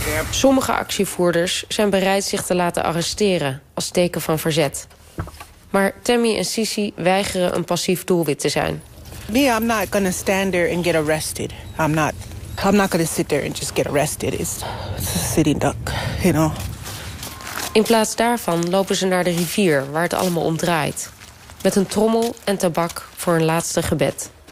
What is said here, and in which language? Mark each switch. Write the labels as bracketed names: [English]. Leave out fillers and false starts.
[Dutch] Sommige actievoerders zijn bereid zich te laten arresteren als teken van verzet. Maar Tammy en Sissy weigeren een passief doelwit te zijn. [English] Me, I'm not gonna stand there and get arrested. I'm not gonna sit there and just get arrested. It's a sitting duck, you know. [Dutch] In plaats daarvan lopen ze naar de rivier waar het allemaal om draait. Met een trommel en tabak voor een laatste gebed.